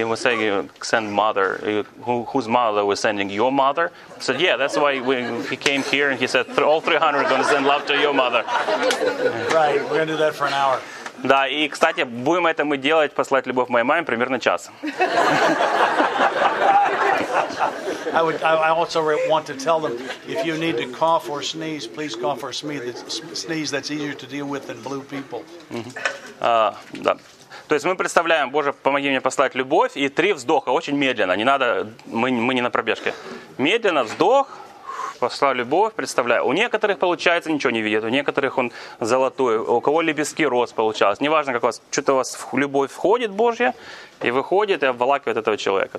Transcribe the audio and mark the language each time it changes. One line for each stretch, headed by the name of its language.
English: We're saying, send mother. Whose mother was sending? Your mother. So yeah, that's why he came here, and he said all 300 are going to send love to your mother. Right. We're going to do that for an hour.
Russian: Да, и кстати, будем это мы делать, послать любовь моей маме примерно час.
English: I also want to tell them if you need to cough or sneeze, please cough or sneeze. That's easier to deal with than blue people.
Russian: Да. То есть мы представляем, Боже, помоги мне послать любовь, и три вздоха, очень медленно. Не надо, мы не на пробежке. Медленно вздох, послал любовь, представляю. У некоторых получается ничего не видит, у некоторых он золотой, у кого лебезки рос получалось. Неважно, как у вас, что-то у вас в любовь входит Божья и выходит и обволакивает этого человека.